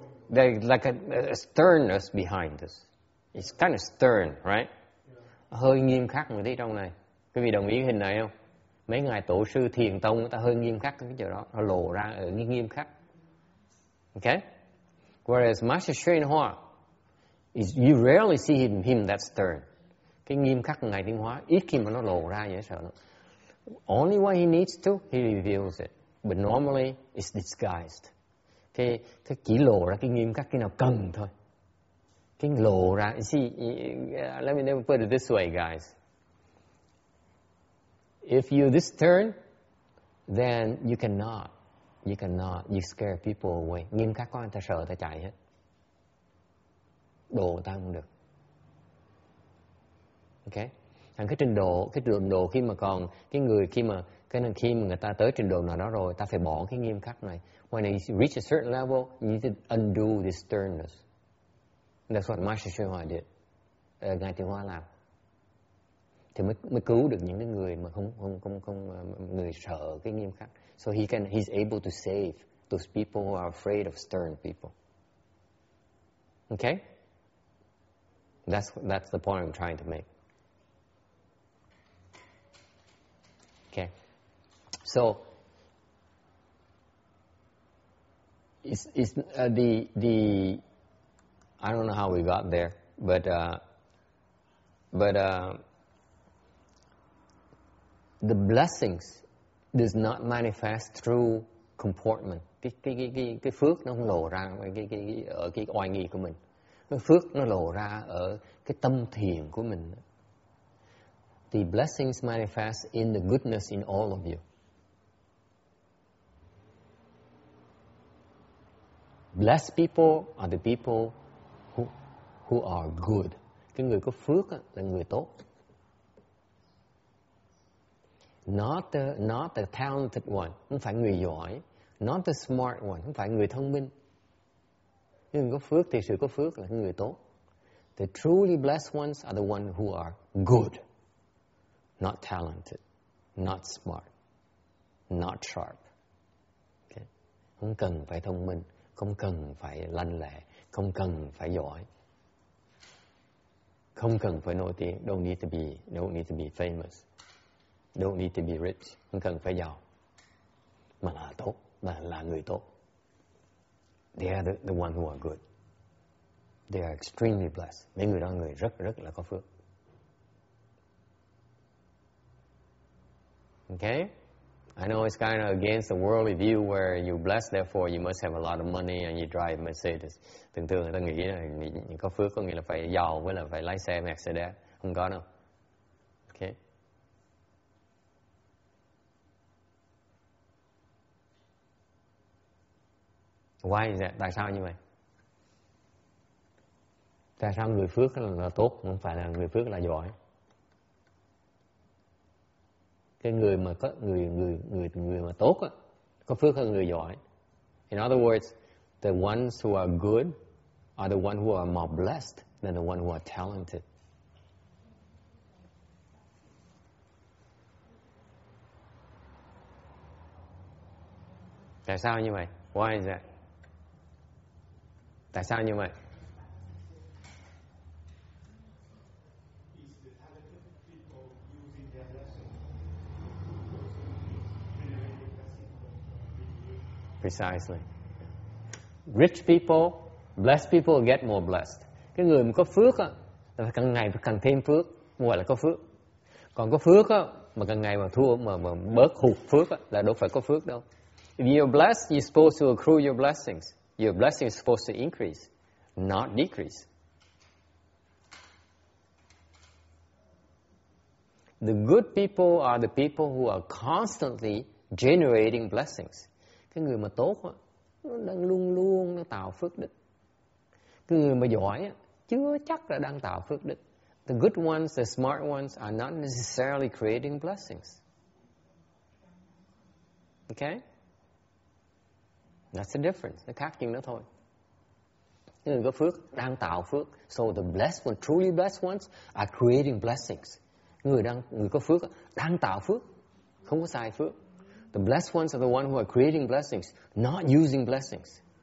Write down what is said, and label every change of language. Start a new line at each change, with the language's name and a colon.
English: It doesn't look like he's not showing. Like a sternness behind this. It's kind of stern, right? Yeah.
Vietnamese: Hơi nghiêm khắc một tí trong này. Quý vị đồng ý hình này không? Mấy ngài tổ sư thiền tông người ta hơi nghiêm khắc cái chỗ đó, nó lộ ra ở cái nghiêm khắc.
English: Okay? Whereas Master Xuyên Hoa is you rarely see him that stern.
Vietnamese: Cái nghiêm khắc của ngài Tinh Hoa ít khi mà nó lộ ra dễ sợ lắm.
English: Only when he needs to, he reveals it. But normally it's disguised.
Vietnamese: Cái chỉ lộ ra cái nghiêm khắc khi nào cần thôi. Cái lộ ra,
English: let me put it this way, guys. If you this turn, then you cannot, you scare people away.
Vietnamese: Nghiêm khắc có người ta sợ, ta chạy hết. Đồ ta không được. Okay. Thằng cái trình độ khi mà còn cái người khi mà cái nên khi mà người ta tới trình độ nào đó rồi, ta phải bỏ cái nghiêm khắc này.
English: When you reach a certain level, you need to undo this sternness. That's what Master Xuyên Hoa did.
Vietnamese: Ngài Tinh Hoa làm. Thì mới cứu được những cái người mà không người sợ cái nghiêm khắc.
English: So he's able to save those people who are afraid of stern people. Okay? That's the point I'm trying to make. Okay. So it's the I don't know how we got there, but the blessings does not manifest through comportment.
Vietnamese: Cái phước nó không lộ ra ở cái oai nghi của mình. Cái phước nó lộ ra ở cái tâm thiền của mình.
English: The blessings manifest in the goodness in all of you. Blessed people are the people who are good.
Vietnamese: Cái người có phước là người tốt.
English: Not the talented one,
Vietnamese: không phải người giỏi.
English: Not the smart one,
Vietnamese: không phải người thông minh. Người có phước thì sự có phước là người tốt.
English: The truly blessed ones are the ones who are good. Not talented, not smart, not sharp. Okay.
Vietnamese: Không cần phải thông minh, không cần phải lanh lẹ, không cần phải giỏi, không cần phải nổi tiếng.
English: Don't need to be famous. Don't need to be rich.
Vietnamese: Không cần phải giàu, mà là tốt, mà là người tốt.
English: They are the ones who are good. They are extremely blessed.
Vietnamese: Mấy người đó người rất rất là có phước.
English: Okay? I know it's kind of against the worldly view where you bless, therefore you must have a lot of money and you drive Mercedes.
Vietnamese: Thường thường người ta nghĩ là có phước có nghĩa là phải giàu với là phải lái xe Mercedes. Không có đâu. Okay.
English: Why is that?
Vietnamese: Tại sao như vậy? Tại sao người phước là tốt, không phải là người phước là giỏi? Cái người mà có người mà tốt á, có phước hơn người giỏi.
English: In other words, the ones who are good are the ones who are more blessed than the ones who are talented.
Vietnamese: Tại sao như vậy?
English: Why is that?
Vietnamese: Tại sao như vậy?
English: Precisely. Rich people, blessed people get more blessed.
Vietnamese: Cái người mà có phước á, càng ngày càng thêm phước, mới gọi là có phước. Còn có phước á, mà càng ngày mà thua, mà bớt hụt phước á, là đâu phải có phước đâu.
English: If you're blessed, you're supposed to accrue your blessings. Your blessing is supposed to increase, not decrease. The good people are the people who are constantly generating blessings.
Vietnamese: Cái người mà tốt á, nó đang luôn luôn nó tạo phước đức. Cái người mà giỏi á, chưa chắc là đang tạo phước đức.
English: The good ones, the smart ones are not necessarily creating blessings. Okay? That's the difference.
Vietnamese: Nó khác chừng đó thôi. Cái người có phước đang tạo phước.
English: So the blessed ones, truly blessed ones are creating blessings.
Vietnamese: Người có phước đang tạo phước, không có sai phước.
English: The blessed ones are the ones who are creating blessings, not using blessings.